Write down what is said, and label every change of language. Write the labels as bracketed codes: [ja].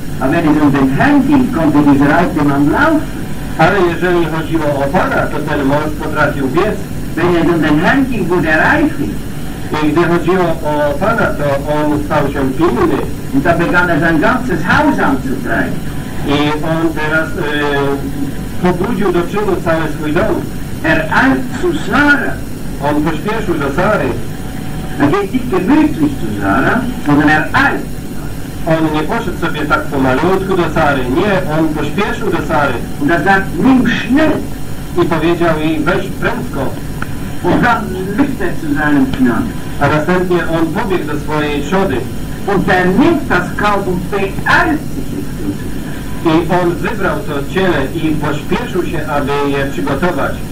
[de] A wenn es um den Herrn ging, konnte dieser alte Mann laufen. [pl] Ale jeżeli chodziło o Pana, to ten mąż potrafił biec. [de] Wenn es um den Herrn ging, wurde er eifrig. [pl] I gdy chodziło o Pana, to on stał się pilny. [de] Und da begann er sein ganzes Haus anzutreiben. [pl] I on teraz pobudził do czynu cały swój dom. [de] Er eilt zu Sara. [pl] On pośpieszył do Sary. [de] Er geht nicht gemütlich zu Sara, sondern er eilt. [pl] On nie poszedł sobie tak po malutku do Sary. Nie, on pośpieszył do Sary. [de] Und er sagt, nimm schnell. [pl] I powiedział jej, weź prędko. [de] Und dann lüfte zu seinem Knaben. [pl] A następnie on pobiegł do swojej trzody. [de] Und er nimmt das Kalb und beeilt sich. [pl] I on wybrał to ciele i pośpieszył się, aby je przygotować.